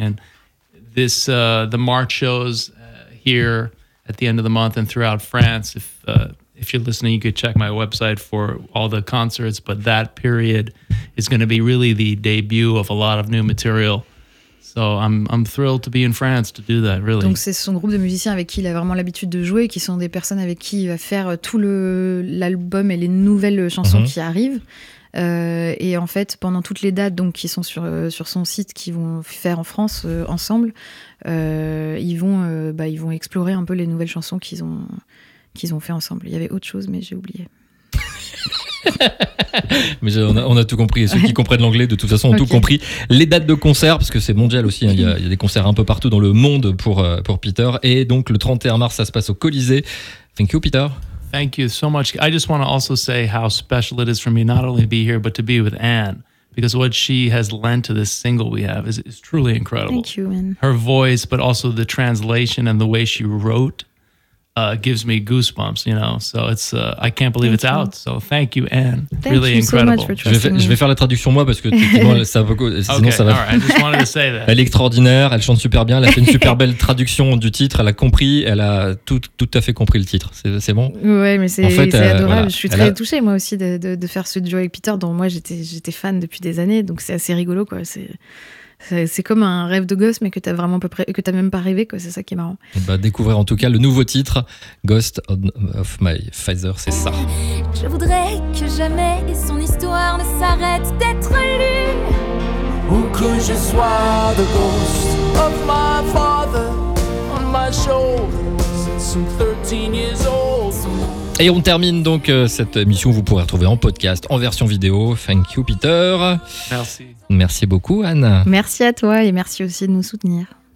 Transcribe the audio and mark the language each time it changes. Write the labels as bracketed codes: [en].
[en] And this, the March shows here at the end of the month and throughout France. If you're listening, you could check my website for all the concerts, but that period is going to be really the debut of a lot of new material. So I'm thrilled to be in France to do that, really. [fr] Donc c'est son groupe de musiciens avec qui il a vraiment l'habitude de jouer, qui sont des personnes avec qui il va faire tout l'album et les nouvelles chansons qui arrivent. Et en fait, pendant toutes les dates donc, qui sont sur son site, qui vont faire en France ensemble, ils vont explorer un peu les nouvelles chansons qu'ils ont fait ensemble. Il y avait autre chose, mais j'ai oublié. Mais on a tout compris. Ceux qui comprennent l'anglais, de toute façon, ont tout compris. Les dates de concert, parce que c'est mondial aussi, hein, il y a des concerts un peu partout dans le monde pour Peter. Et donc, le 31 mars, ça se passe au Colisée. [en] Thank you, Peter. Thank you so much. I just want to also say how special it is for me not only to be here, but to be with Anne, because what she has lent to this single we have is truly incredible. Thank you, Anne. Her voice, but also the translation and the way she wrote gives me goosebumps, you know. So it's I can't believe thank it's you. Out. So thank you, Anne. Thank really you incredible. So much for trusting [fr] je vais faire la traduction moi parce que ça va. Sinon [en] okay, [fr] ça va. [en] All right, I just wanted to say that. [fr] Elle est extraordinaire. Elle chante super bien. Elle a fait une super belle traduction du titre. Elle a compris. Elle a tout à fait compris le titre. C'est bon. Ouais, mais c'est, en fait, c'est adorable. Voilà. Je suis très touchée moi aussi de faire ce duo avec Peter dont moi j'étais fan depuis des années. Donc c'est assez rigolo quoi. C'est comme un rêve de gosse, mais que t'as vraiment peu près, que t'as même pas rêvé, quoi. C'est ça qui est marrant. Bah, découvrir en tout cas le nouveau titre, Ghost of My Father, c'est ça. Je voudrais que jamais son histoire ne s'arrête d'être lue. Ou que je sois [en] the ghost of my father on my shoulder since I'm 13 years old. [fr] Et on termine donc cette émission. Vous pourrez retrouver en podcast, en version vidéo. [en] Thank you, Peter. [fr] Merci. Merci beaucoup, Anne. Merci à toi et merci aussi de nous soutenir.